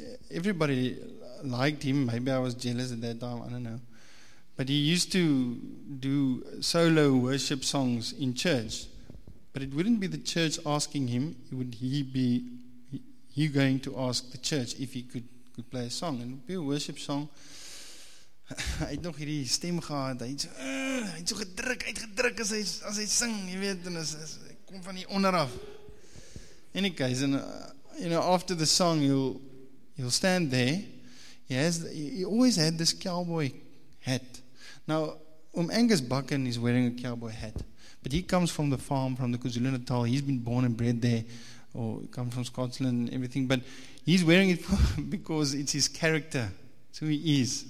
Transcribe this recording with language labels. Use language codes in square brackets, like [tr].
[en] Everybody liked him. Maybe I was jealous at that time, I don't know. But he used to do solo worship songs in church. But it wouldn't be the church asking him, it would he going to ask the church if he could play a song. And it would be a worship song. [af] Hy het nog hierdie stem gehad, hy het so gedruk, uitgedruk as hy sing, jy weet, en hy kom van hier onder af. [en] Any case, and after the song, he'll stand there, he always had this cowboy hat. Now, Angus Buchan is wearing a cowboy hat, but he comes from the farm, from the KwaZulu-Natal, he's been born and bred there, or comes from Scotland and everything, but he's wearing it because it's his character. Who he is.